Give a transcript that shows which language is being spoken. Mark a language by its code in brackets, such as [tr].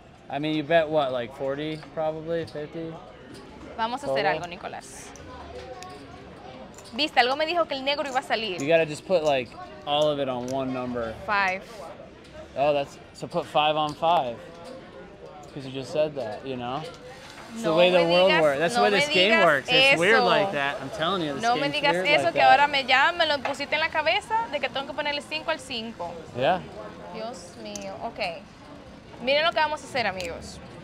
[en] I mean, you bet what, like 40, probably, 50? [es] Vamos a hacer algo, Nicolás. Viste, algo me dijo que el negro iba a salir. [en] You gotta just put like all of it on one number. Five. Oh, that's, so put five on five. Because you just said that, you know? It's the way the world works. That's the way this game works. It's weird like that. I'm telling you, this game's weird like that. [es] No me digas eso, que ahora me llaman, me lo pusiste en la cabeza, de que tengo que ponerle cinco al cinco. [en] Yeah. [es] Dios mío, okay. Miren lo que vamos a hacer, amigos.